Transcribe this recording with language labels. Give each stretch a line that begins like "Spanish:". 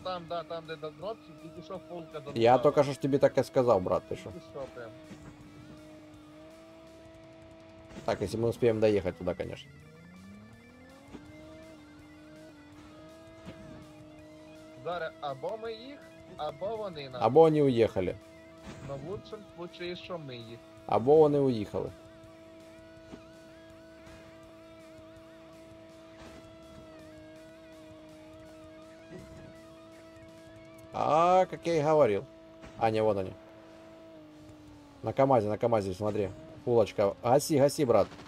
Ukrainian: Там, да, там, де дропчик, и пішов фулка до. Я только що ж тобі так і сказав, брат, ти що?
Russian: Так, если мы успеем доехать туда, конечно.
Ukrainian: Зараз або ми їх, або вони нас. Або вони уїхали.
Russian: Но в лучшем случае, что мы едем. Або они уехали. А, как я и говорил. А, не, вот они. На КамАЗе, смотри. Пулочка. Гаси, гаси, брат.